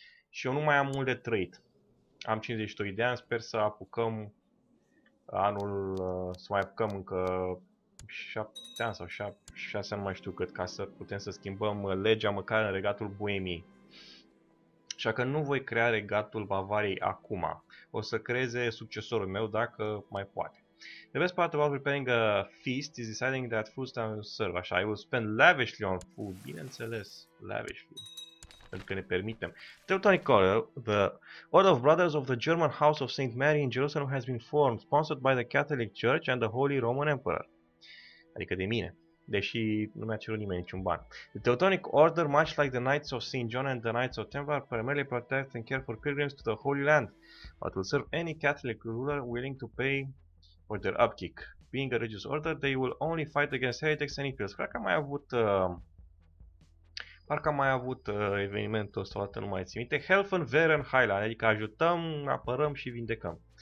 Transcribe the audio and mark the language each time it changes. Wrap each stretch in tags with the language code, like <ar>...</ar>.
<ro>Și eu nu mai am mult de trăit. Am 52 de ani, sper să apucăm anul, să mai apucăm încă 7 ani sau 6 ani, nu mai știu cât, ca să putem să schimbăm legea măcar în regatul Boemiei. Așa că nu voi crea regatul Bavariei acum. O să creeze succesorul meu dacă mai poate.</ro> <en>The best part about preparing a feast is deciding that food time will serve.</en> <ro>Așa,</ro> <en>I will spend lavishly on food.</en> <ro>Bineînțeles, lavishly. Pentru că ne permitem.</ro> <en>Teutonic Order, the Order of Brothers of the German House of St. Mary in Jerusalem has been formed, sponsored by the Catholic Church and the Holy Roman Emperor.</en> <ro>Adică de mine. Deși nu mi-a cerut nimeni niciun ban.</ro> <en>The Teutonic Order, much like the Knights of St. John and the Knights of Templar, primarily protect and care for pilgrims to the Holy Land, but will serve any Catholic ruler willing to pay for their upkeep. Being a religious order, they will only fight against heretics and infidels.</en> <ro>Cred că am mai avut... evenimentul ăsta, altă nu mai țin minte. Helfen, Veren, Highland, adică ajutăm, apărăm și vindecăm.</ro>